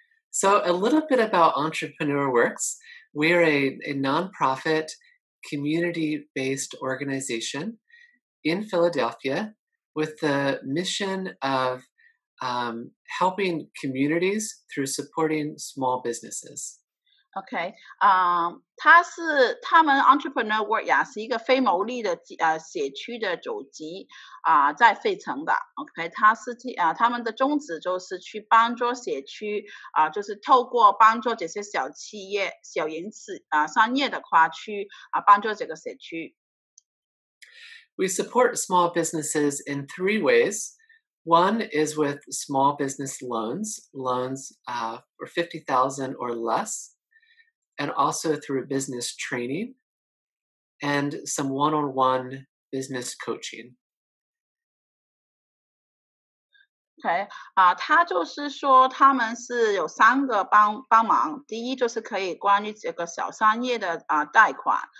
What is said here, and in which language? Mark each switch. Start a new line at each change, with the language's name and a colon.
English: So a little bit about Entrepreneur Works. We are a nonprofit, community-based organization in Philadelphia with the mission of helping communities through supporting small businesses.
Chinese: Okay, 他们 Entrepreneur Work 是一个非牟利的社区的组织，在费城的。他们的宗旨就是去帮助社区，就是透过帮助这些小企业、小营商业的话去帮助这个社区。
English: We support small businesses in three ways. One is with small business loans for $50,000 or less. And also through business training and some one-on-one business coaching.
Chinese: Okay, 他就是说他们是有三个帮忙，第一就是可以关于这个小商业的贷款。